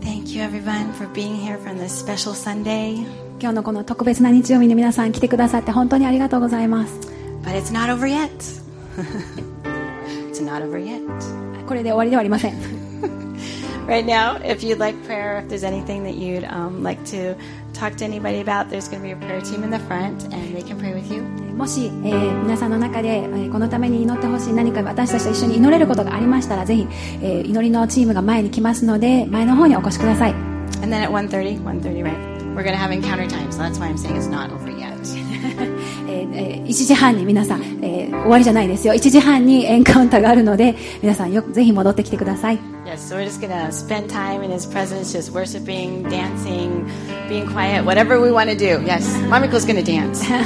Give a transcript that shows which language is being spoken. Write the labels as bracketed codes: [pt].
[en] Thank you everyone for being here from this special Sunday. [ja] 今日のこの特別な日曜日に皆さん来てくださって本当にありがとうございます。 [en] But it's not over yet. It's not over yet. [ja] これで終わりではありません。 [en] Right now, if you'd like prayer, if there's anything that you'd like to talk to anybody about, there's going to be a prayer team in the front and they can pray with you. [ja] もし、皆さんの中で、このために祈ってほしい、何か私たちと一緒に祈れることがありましたら、ぜひ、祈りのチームが前に来ますので、前の方にお越しください。 [en] And then at 1:30, right, we're going to have encounter time, so that's why I'm saying it's not over yet. [ja] 1時半に皆さん、終わりじゃないですよ。 1時半にエンカウンターがあるので、皆さんよ、ぜひ戻ってきてください。 [en] Yes, so we're just going to spend time in his presence, just worshiping, dancing, being quiet, whatever we want to do. Yes, Mamiko's going to dance.